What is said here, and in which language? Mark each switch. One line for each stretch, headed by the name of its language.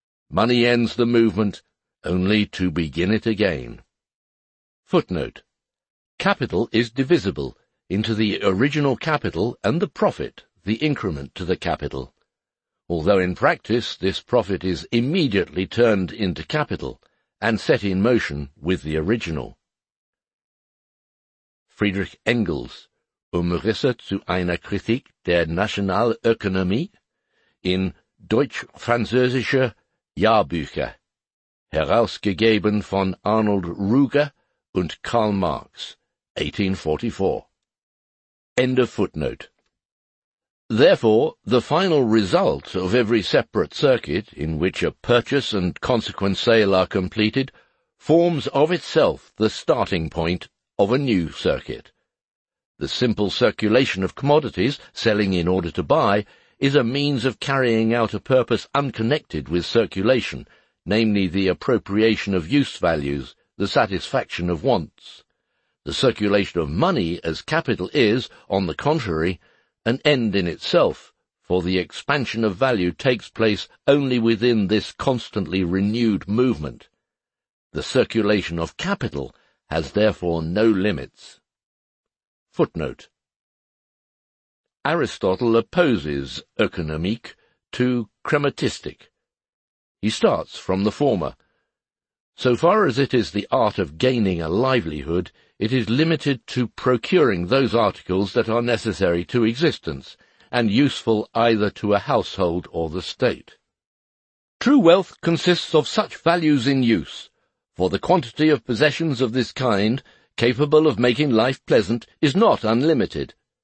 English: Money ends the movement only to begin it again. Footnote. Capital is divisible into the original capital and the profit, the increment to the capital, although in practice this profit is immediately turned into capital and set in motion with the original.
German: Friedrich Engels, Umrisse zu einer Kritik der Nationalökonomie in Deutsch-Französische Jahrbücher, herausgegeben von Arnold Ruger und Karl Marx, 1844.
English: End of footnote. Therefore, the final result of every separate circuit in which a purchase and consequent sale are completed forms of itself the starting point of a new circuit. The simple circulation of commodities, selling in order to buy, is a means of carrying out a purpose unconnected with circulation, namely the appropriation of use values, the satisfaction of wants. The circulation of money as capital is, on the contrary, an end in itself, for the expansion of value takes place only within this constantly renewed movement. The circulation of capital has therefore no limits. Footnote. Aristotle opposes économique to crematistique. He starts from the former. So far as it is the art of gaining a livelihood, it is limited to procuring those articles that are necessary to existence, and useful either to a household or the state. True wealth consists of such values in use, for the quantity of possessions of this kind, capable of making life pleasant, is not unlimited.